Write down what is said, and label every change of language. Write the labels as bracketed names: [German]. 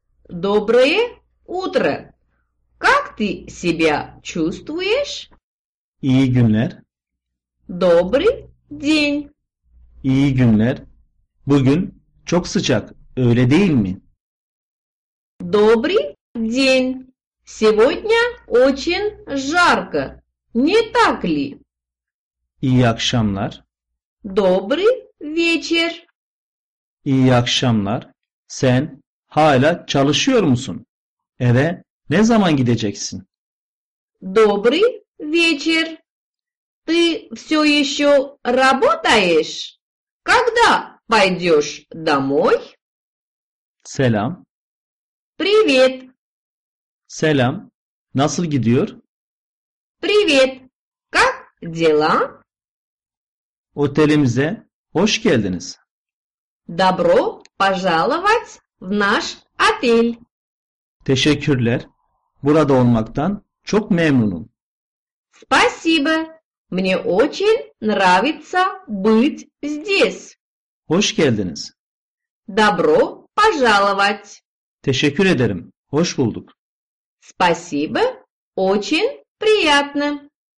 [Russian] Доброе утро. Как ты себя чувствуешь? [Turkish] İyi günler. [Russian] Добрый день. [Turkish] İyi günler. Bugün çok sıcak, öyle değil mi? [Russian] Добрый день. Сегодня очень жарко, не так ли? [Turkish] İyi akşamlar. [Russian] Добрый вечер. [Turkish] İyi akşamlar. Sen hala çalışıyor musun? Eve ne zaman gideceksin? [Russian] Добрый вечер. Ты все еще работаешь? Когда пойдешь домой? [Turkish] Selam. [Russian] Привет. [Turkish] Selam. Nasıl gidiyor? [Russian] Привет. Как дела? [Turkish] Otelimize hoş geldiniz. [Russian] Добро пожаловать в наш отель. [Turkish] Teşekkürler. Burada olmaktan çok memnunum. [Russian] Спасибо. Мне очень нравится быть здесь. [Turkish] Hoş geldiniz. [Russian] Добро пожаловать. [Turkish] Teşekkür ederim. Hoş bulduk. [Russian] Спасибо. Очень приятно.